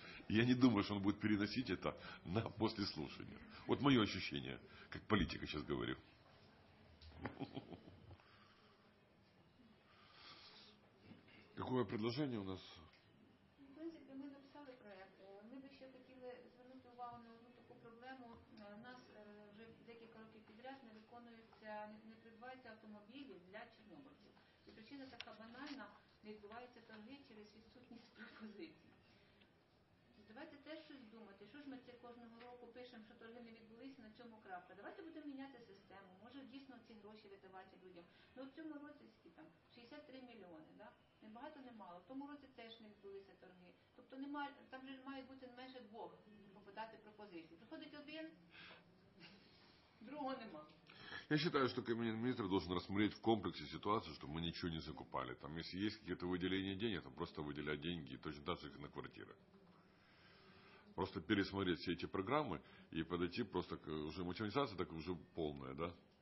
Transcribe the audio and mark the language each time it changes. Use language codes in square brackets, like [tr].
[ru] И я не думаю, что он будет переносить это на после слушания. Вот мое ощущение, как политика сейчас говорю. Какое предложение у нас? В принципе, мы написали проект. [uk] Ми би ще хотіли звернути увагу на одну таку проблему. У нас вже декілька років підряд не виконується, не придбаються автомобілі для чорнобильців. І причина така банальна, не відбуваються торги через відсутність пропозицій. Давайте теж щось думати, що ж ми це кожного року пишемо, що торги не відбулися, на чому крапка. Давайте будемо міняти систему, може дійсно ці гроші видавати людям. Ну, в цьому році скільки там? 63 мільйони, да? Не багато, не мало. В тому році теж не відбулися торги. Тобто немає, там вже мають бути менше 2 попадати пропозиції. Приходить один, другого нема. [ru] Я считаю, что кабинет министров должен рассмотреть в комплексе ситуацию, что мы ничего не закупали. Там, если есть какие-то выделения денег, то просто выделять деньги и точно даже их на квартиры. Просто пересмотреть все эти программы и подойти просто к уже модернизации, так уже полная, да?